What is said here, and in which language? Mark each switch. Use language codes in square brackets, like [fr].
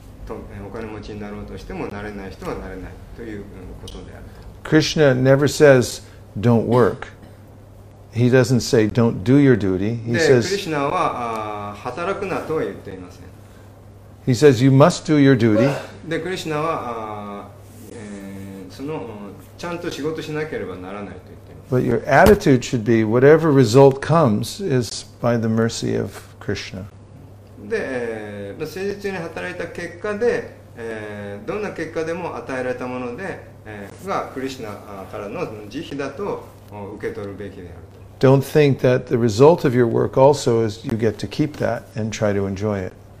[ja] お金持ちになろうとしてもなれない人はなれないということである。 [en] Krishna never says don't work. He doesn't say don't do your duty. He says [ja] Krishna は働くなとは言っていません。 [en] He says you must do your duty. [ja] で、クリシュナは、そのちゃんと仕事しなければならないと言っています。 [en] But your attitude should be whatever result comes is by the mercy of Krishna. [ja] で、誠実に働いた結果で、どんな結果でも与えられたもので、がクリシュナからの慈悲だと受け取るべきである。 [en] Don't think that the result of your work also is you get to keep that and try to enjoy it.